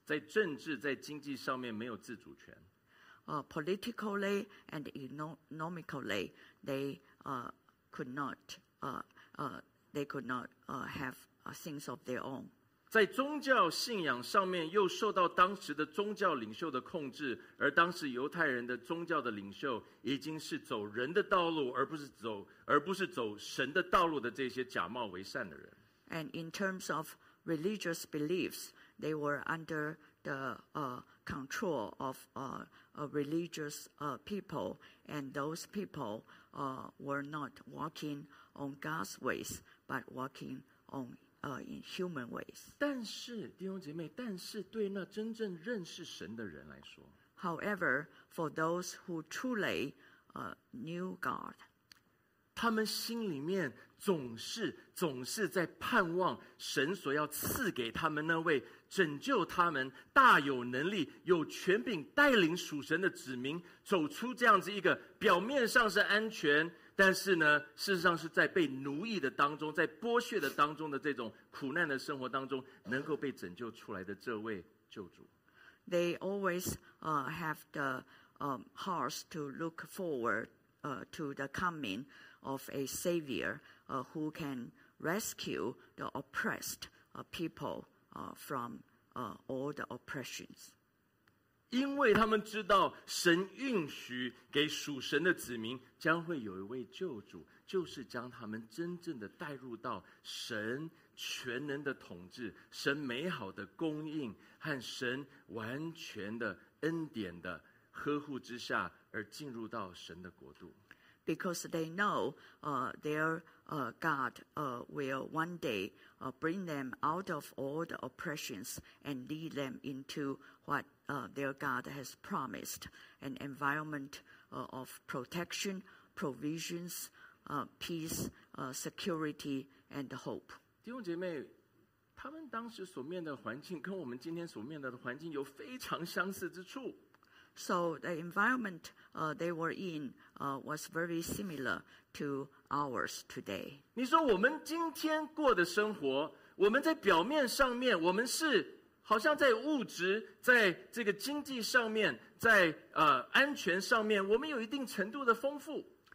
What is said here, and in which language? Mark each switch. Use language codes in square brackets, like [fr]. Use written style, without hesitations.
[zh] 在政治在经济上面没有自主权。 [en] Politically and economically they could not have things of their own. [zh] 在宗教信仰上面又受到当时的宗教领袖的控制，而当时犹太人的宗教的领袖已经是走人的道路，而不是走神的道路的这些假冒为善的人。 [en] And in terms of religious beliefs, they were under the control of religious people, and those people were not walking on God's ways, but walking on. In human ways. [zh] 但是弟兄姐妹，但是对那真正认识神的人来说， [en] However, for those who truly knew God, [zh] 他们心里面总是在盼望神所要赐给他们那位拯救他们大有能力有权柄带领属神的子民走出这样子一个表面上是安全但是呢，事实上是在被奴役的当中，在剥削的当中的这种苦难的生活当中，能够被拯救出来的这位救主。 [en] They always have the hearts to look forward to the coming of a savior who can rescue the oppressed people from all the oppressions. [zh] 因为他们知道神应许给属神的子民将会有一位救主，就是将他们真正的带入到神全能的统治、神美好的供应和神完全的恩典的呵护之下，而进入到神的国度。 [en] Because they know their God will one day bring them out of all the oppressions and lead them into what their God has promised, an environment of protection, provisions, peace, security, and hope. [zh] 弟兄姐妹，他们当时所面的环境跟我们今天所面的环境有非常相似之处。 [en] So the environment they were in was very similar to ours today. [zh] 你说我们今天过的生活，我们在表面上面，我们是好像在物质、在这个经济上面、在安全上面，我们有一定程度的丰富。